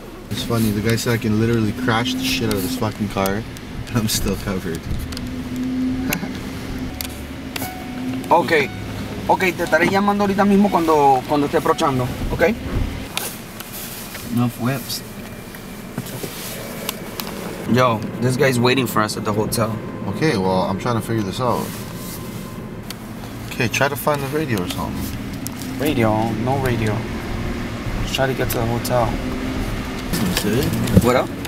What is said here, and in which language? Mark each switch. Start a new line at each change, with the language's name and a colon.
English: It's funny, the guy said I can literally crash the shit out of this fucking car, and I'm still covered. Okay.
Spanish: Okay, te estaré llamando ahorita mismo cuando esté aproximando, okay?
English: Enough whips. Yo, this guy's waiting for us at the hotel. Okay, well, I'm trying to figure this out. Okay, try to find the radio or something. Radio? No radio. Let's try to get to the hotel. What up?